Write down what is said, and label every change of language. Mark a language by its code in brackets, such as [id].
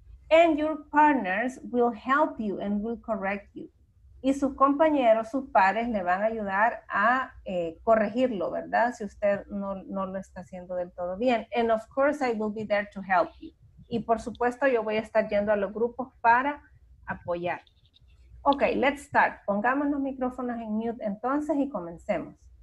[en] And your partners will help you and will correct you. [es] Y sus compañeros, sus pares, le van a ayudar a corregirlo, ¿verdad? Si usted no lo está haciendo del todo bien. [en] And of course, I will be there to help you. [es] Y por supuesto, yo voy a estar yendo a los grupos para apoyar. Ok, [en] let's start. [es] Pongamos los micrófonos en mute entonces y comencemos.